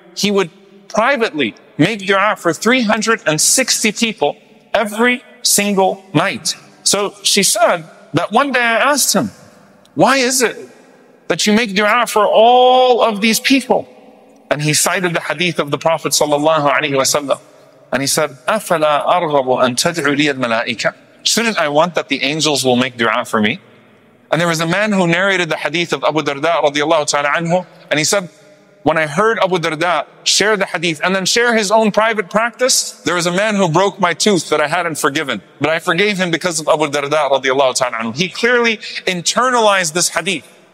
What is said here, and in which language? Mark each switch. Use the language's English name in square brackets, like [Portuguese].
[English] He would privately make dua for 360 people every single night. So she said that one day I asked him, why is it that you make dua for all of these people? And he cited the hadith of the Prophet sallallahu alaihi wasallam. And he said, [Arabic] أَفَلَا أَرْغَبُ أَن تَدْعُوا لِيَ الْمَلَائِكَ. [English] Shouldn't I want that the angels will make dua for me? And there was a man who narrated the hadith of Abu Darda radiallahu ta'ala anhu. And he said, when I heard Abu Darda share the hadith and then share his own private practice, there was a man who broke my tooth that I hadn't forgiven. But I forgave him because of Abu Darda radiallahu ta'ala anhu. He clearly internalized this hadith.